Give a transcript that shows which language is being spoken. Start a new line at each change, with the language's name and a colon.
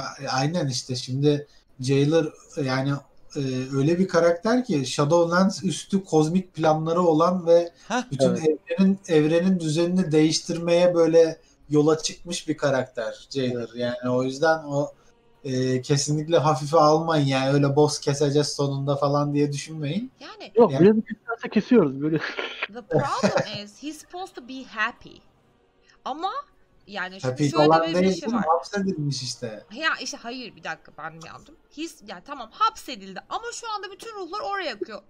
Turkish: Aynen işte şimdi Jailer yani öyle bir karakter ki Shadowlands üstü kozmik planları olan ve bütün evrenin düzenini değiştirmeye böyle yola çıkmış bir karakter Jailer. Yani o yüzden o kesinlikle hafife almayın yani öyle boss keseceğiz sonunda falan diye düşünmeyin. Yani yok biraz kesiyorsa kesiyoruz böyle.
English: The problem is he's supposed to be happy.
Turkish: Ama yani
English: happy
Turkish: şöyle bir şey var. Hapsedilmiş işte. Ya işte hayır bir dakika ben mi yandım? Yani tamam hapsedildi ama şu anda bütün ruhlar oraya akıyor.